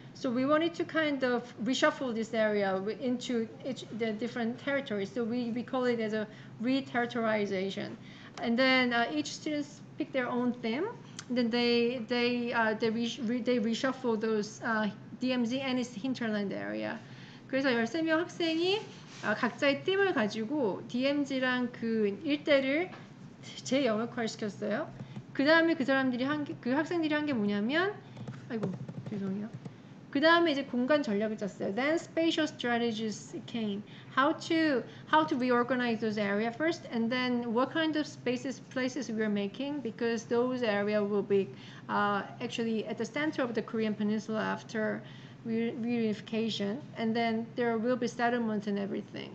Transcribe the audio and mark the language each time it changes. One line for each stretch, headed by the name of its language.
English: So we wanted to kind of reshuffle this area into the different territories. So we call it as a re-territorialization. And then each student pick their own theme. And then they reshuffle those DMZ and its hinterland area.
Korean: 그래서 13명 학생이 각자의 팀을 가지고 DMZ랑 그 일대를 재영역화시켰어요. 그 다음에 그 학생들이 한 게 뭐냐면, 아이고, 죄송해요. 그 다음에 이제 공간 전략을 짰어요.
English: Then spatial strategies came. How to reorganize those areas first, and then what kind of places we are making, because those areas will be actually at the center of the Korean Peninsula after reunification, and then there will be settlements and everything.